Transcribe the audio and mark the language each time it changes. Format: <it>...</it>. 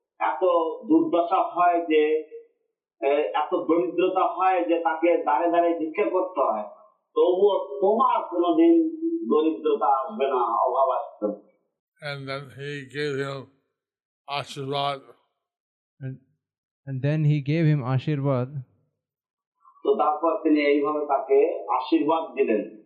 <bn>এত দুর্দশা হয় যে এত দরিদ্রতা হয় যে তাকে দাঁড়ে দাঁড়িয়ে ভিক্ষা করতে হয়, তবুও তোমার কোনদিন দরিদ্রতা আসবে না, অভাব আসবে না।</bn> <en>And then he gave him ashirvad. And then he gave him ashirvad.</en> <bn>So তারপর তিনি এইভাবে তাকে আশীর্বাদ দিলেন।</bn>